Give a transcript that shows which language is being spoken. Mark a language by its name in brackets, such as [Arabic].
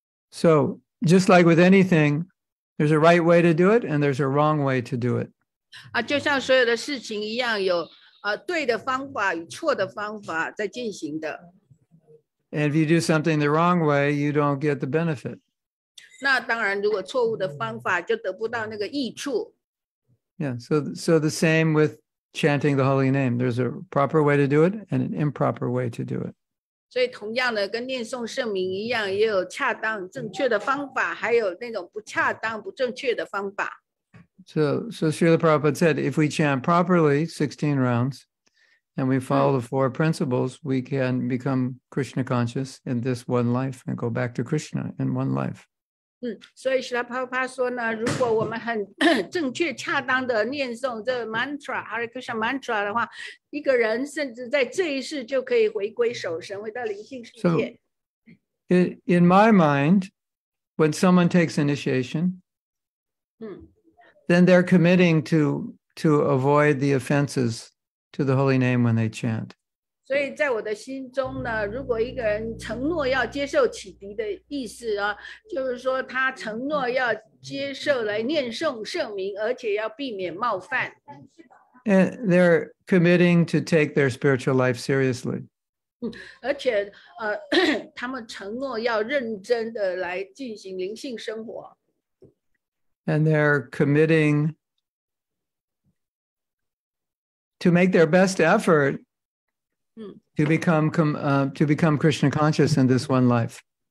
[English] So, just like with anything, there's a right way to do it and there's a wrong way to do it. [Chinese] 就像所有的事情一样有 对的方法与错的方法在进行的。 [English] And if you do something the wrong way, you don't get the benefit. [Chinese] 那当然,如果错误的方法就得不到那个益处。 [English] Yeah, so the same with chanting the holy name. There's a proper way to do it and an improper way to do it. [Chinese] 所以同样的,跟念诵圣名一样,也有恰当正确的方法,还有那种不恰当不正确的方法。 [English] So Srila Prabhupada said, if we chant properly 16 rounds and we follow the four principles, we can become Krishna conscious in this one life and go back to Krishna in one life. So Srila Prabhupada said, if we have a correct mantra, Hare Krishna mantra, one person can return to the Lord. In my mind, when someone takes initiation, then they're committing to avoid the offenses to the holy name when they chant. [Chinese] 所以在我的心中呢,如果一个人承诺要接受启迪的意思啊,就是说他承诺要接受来念诵圣名,而且要避免冒犯。 [English] And they're committing to take their spiritual life seriously. [Chinese] 而且他们承诺要认真的来进行灵性生活。 [English] And they're committing to make their best effort to become Krishna conscious in this one life.